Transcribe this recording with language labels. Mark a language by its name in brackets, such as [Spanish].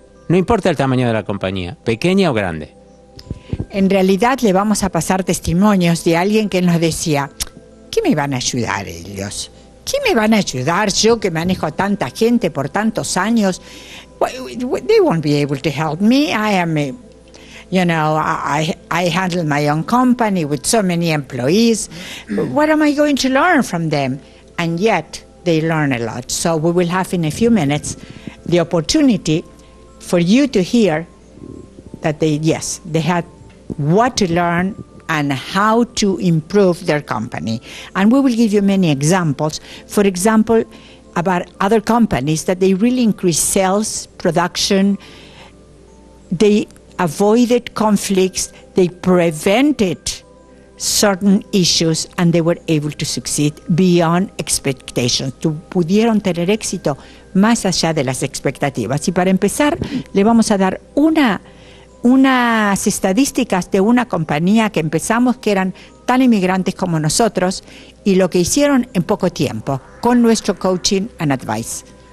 [Spanish] No importa el tamaño de la compañía, pequeña o grande. En realidad le vamos a pasar testimonios de alguien que nos decía, ¿qué me van a ayudar ellos? ¿Qué me van a ayudar yo que manejo a tanta gente por tantos años? [English] They won't be able to help me. I handle my own company with so many employees. What am I going to learn from them? And yet, they learn a lot. So we will have in a few minutes the opportunity for you to hear that they had what to learn and how to improve their company. And we will give you many examples. For example, about other companies that they really increase sales, production, they avoided conflicts, they prevented certain issues, and they were able to succeed beyond expectations. [Spanish] Pudieron tener éxito más allá de las expectativas. Y para empezar, le vamos a dar unas estadísticas de una compañía que empezamos, que eran tan inmigrantes como nosotros, y lo que hicieron en poco tiempo con nuestro [English] coaching and advice.